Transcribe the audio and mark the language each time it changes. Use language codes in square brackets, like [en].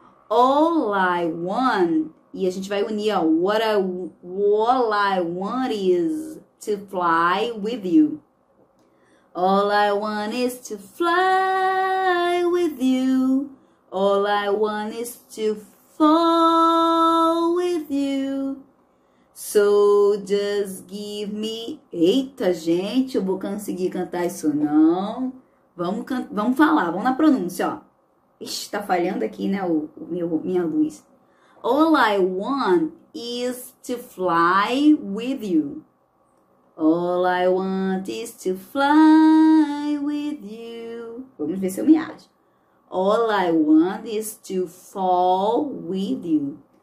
[en] All I want, [pt] e a gente vai unir, ó, [en] what I want is to fly with you. All I want is to fly with you. All I want is to fall with you. So just give me. [pt] Eita, gente, eu vou conseguir cantar isso, não? Vamos falar, vamos na pronúncia, ó. Ixi, tá falhando aqui, né, minha luz. [en] All I want is to fly with you. All I want is to fly with you. [pt] Vamos ver se eu me acho. [en] All I want is to fall with you.